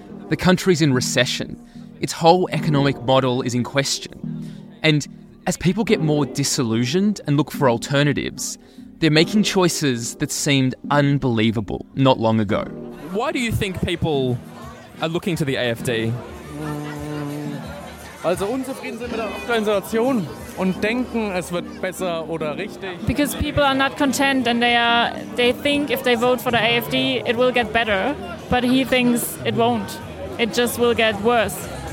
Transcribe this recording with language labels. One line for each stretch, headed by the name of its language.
English: The country's in recession. Its whole economic model is in question. And as people get more disillusioned and look for alternatives, they're making choices that seemed unbelievable not long ago. Why do you think people are looking to the AfD?
German: Also unzufrieden sind mit der aktuellen Situation und denken es wird besser oder richtig.
English: Because people are not content and they think if they vote for the AfD it will get better, but he thinks it won't. It just will get worse.